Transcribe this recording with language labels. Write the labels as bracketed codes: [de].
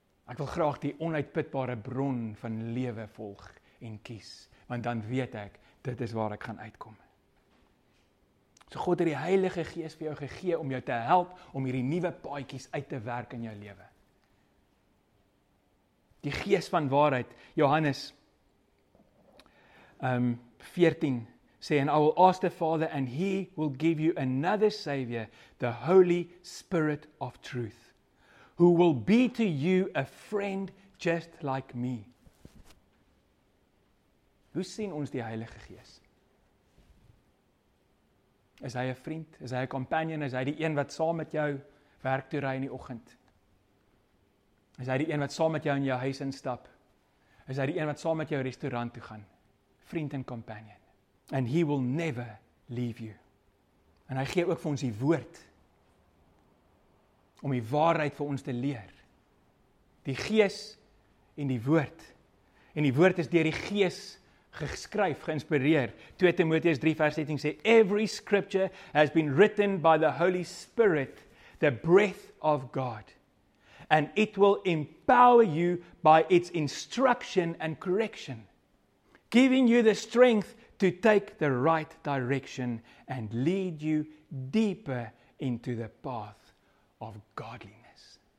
[af] Ek wil graag die onuitputbare bron van lewe volg en kies, want dan weet ek, dit is waar ek gaan uitkom. So God het die Heilige Gees vir jou gegee om jou te help om hierdie nuwe paadjies uit te werk in jou lewe. Die Gees van waarheid, Johannes 14 sê, [en] and I will ask the Father and he will give you another Savior, the Holy Spirit of truth. Who will be to you a friend just like me. [af] Hoe sien ons die Heilige Gees? Is hy 'n vriend? Is hy 'n companion? Is hy die een wat saam met jou werk toe ry in die oggend? Is hy die een wat saam met jou in jou huis instap? Is hy die een wat saam met jou restaurant toe gaan? Vriend en companion. [en] And he will never leave you. [af] En hy gee ook vir ons die woord om die waarheid vir ons te leer. Die Gees en die woord. En die woord is deur die Gees geskryf, geïnspireer. 2 Timoteus 3 vers 17 sê, [en] every scripture has been written by the Holy Spirit, the breath of God. And it will empower you by its instruction and correction, giving you the strength to take the right direction and lead you deeper into the path of godliness.